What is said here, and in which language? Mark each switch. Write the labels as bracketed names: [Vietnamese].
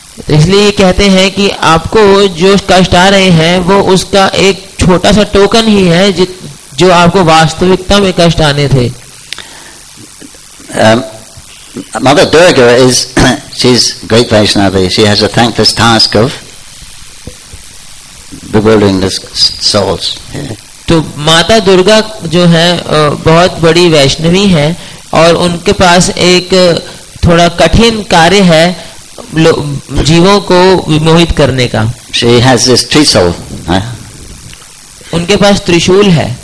[Hindi] इसलिए ये कहते हैं कि आपको जो कष्ट आ रहे हैं वो उसका एक छोटा सा टोकन ही है जो आपको वास्तविकता में कष्ट आने थे. [English] Mother Durga is she's great Vaishnavi. She has a thankless task of bewildering the souls. [Hindi] तो माता दुर्गा जो है बहुत बड़ी वैष्णवी है और उनके पास एक थोड़ा कठिन कार्य है जीवों को विमोहित करने का. [English] She has this trishul. [Hindi] उनके पास त्रिशूल है.